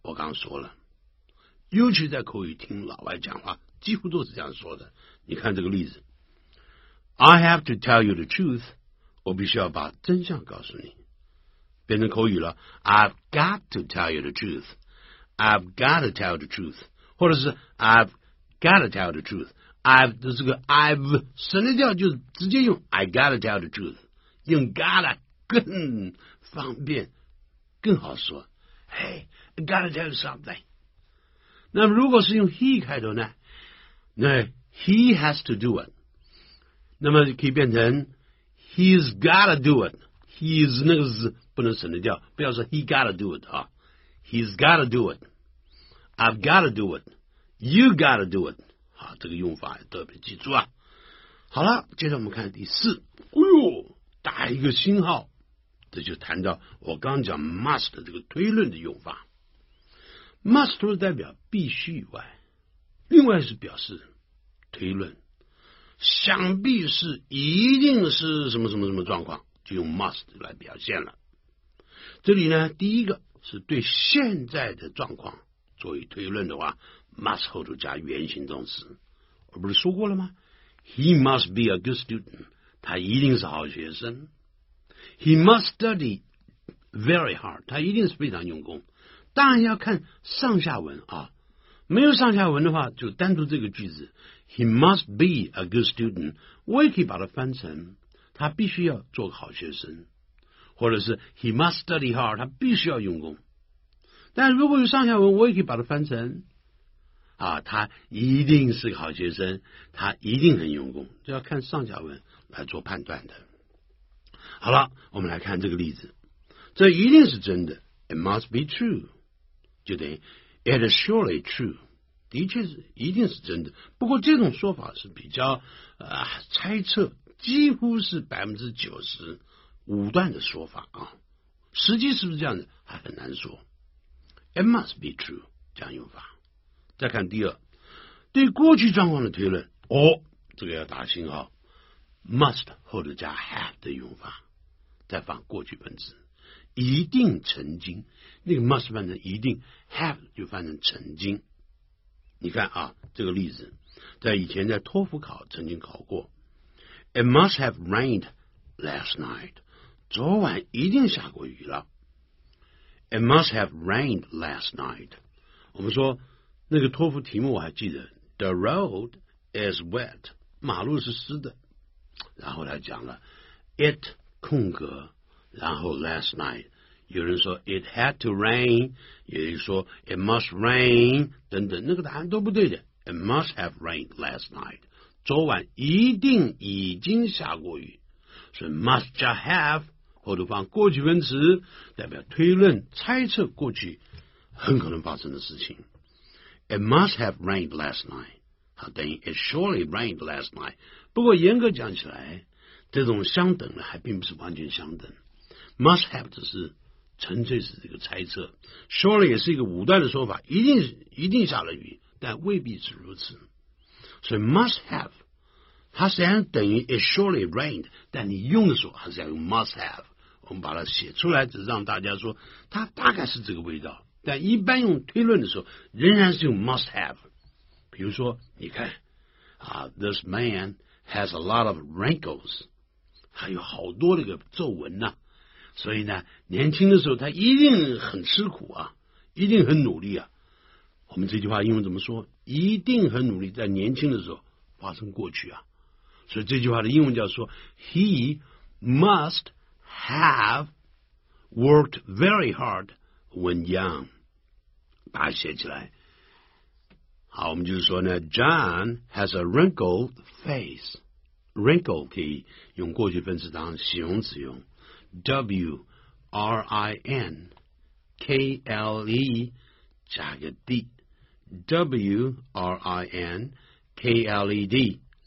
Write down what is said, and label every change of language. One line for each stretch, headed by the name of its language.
Chinese: 我刚说了，尤其在口语听老外讲话几乎都是这样说的。
English: 你看这个例子， I have to tell you the truth，
Chinese: 我必须要把真相告诉你，变成口语了，
English: I've got to tell you the truthI've got to tell the truth，
Chinese: 或者是
English: I've got to tell the truth， I've
Chinese: 这是个
English: I've
Chinese: 省略掉，就直接用
English: I got to tell the truth， 用 gotta
Chinese: 更方便更好说。
English: Hey I got to tell you something。
Chinese: 那如果是用
English: he
Chinese: 开头呢，那
English: he has to do it，
Chinese: 那么可以变成
English: he's got to do it， he's
Chinese: 那个字不能省略掉，不要说
English: he got to do it 啊，He's got to do it. I've got to do it. You got to do it.
Chinese: 好，这个用法也特别记住啊。好了，接着我们看第四。哎呦，打一个星号，这就谈到我刚讲 must 这个推论的用法。 must 代表必须以外，另外是表示推论，想必是一定是什么什么什么状况，就用 must 来表现了。这里呢，第一个是对现在的状况作为推论的话， must 后头加原形动词。我不是说过了吗？
English: He must be a good student，
Chinese: 他一定是好学生。
English: He must study very hard，
Chinese: 他一定是非常用功。当然要看上下文啊，没有上下文的话就单独这个句子，
English: He must be a good student，
Chinese: 我也可以把它翻成他必须要做个好学生，或者是
English: he must study hard，
Chinese: 他必须要用功。但如果有上下文，我也可以把它翻成啊，他一定是个好学生，他一定很用功，这要看上下文来做判断的。好了，我们来看这个例子，这一定是真的，
English: it must be true，
Chinese: 就等于
English: it is surely true，
Chinese: 的确是一定是真的。不过这种说法是比较猜测，几乎是 90%武断的说法啊，实际是不是这样的还很难说。
English: It must be true
Chinese: 这样用法。再看第二，对过去状况的推论，哦，这个要打星号， must 后头加 have 的用法，再放过去分词，一定曾经，那个 must 翻成一定， have 就翻成曾经。你看啊，这个例子，在以前在托福考曾经考过，
English: It must have rained last night，
Chinese: 昨晚一定下过雨了。
English: It must have rained last night。
Chinese: 我们说那个托福题目我还记得，
English: The road is wet，
Chinese: 马路是湿的。然后他讲了 It 空格，然后 last night， 有人说
English: It had to rain，
Chinese: 有人说
English: It must rain
Chinese: 等等，那个答案都不对的。
English: It must have rained last night，
Chinese: 昨晚一定已经下过雨。所以 must 加 have后头放过去分词，代表推论猜测过去很可能发生的事情。
English: It must have rained last night， 等于 It surely rained last night。
Chinese: 不过严格讲起来，这种相等的还并不是完全相等， must have 只是纯粹是这个猜测， surely 也是一个武断的说法，一定下了雨，但未必是如此。所以 must have 它虽然等于
English: It surely rained，
Chinese: 但你用的时候还是要用 must have，我们把它写出来，只让大家说它大概是这个味道，但一般用推论的时候仍然是用 must have。比如说你看啊
English: This man has a lot of wrinkles，
Chinese: 他有好多这个皱纹呢、啊、所以呢年轻的时候他一定很吃苦啊，一定很努力啊。我们这句话英文怎么说？一定很努力，在年轻的时候发生过去啊。所以这句话的英文叫说
English: He must have worked very hard when young。
Chinese: 把它写起来。好，我们就是说呢
English: John has a wrinkled face。
Chinese: Wrinkle 可以用过去分词当形容词用， W-R-I-N-K-L-E 加个 D， W-R-I-N-K-L-E-D。